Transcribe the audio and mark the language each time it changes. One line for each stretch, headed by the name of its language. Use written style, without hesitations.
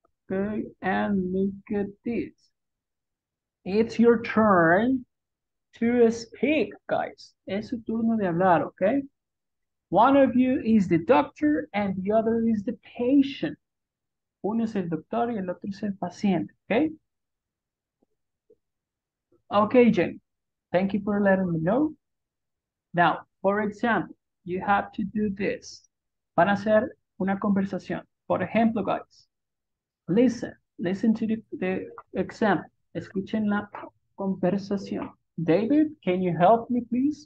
English: Okay, and look at this. It's your turn to speak, guys.
Spanish: Es su turno de hablar,
English: okay? One of you is the doctor and the other is the patient.
Spanish: Uno es el doctor y el otro es el paciente, okay?
English: Okay, Jenny, thank you for letting me know. Now, for example, you have to do this.
Spanish: Van a hacer una conversación. Por ejemplo,
English: guys, listen to the example.
Spanish: Escuchen la conversación.
English: David, can you help me, please?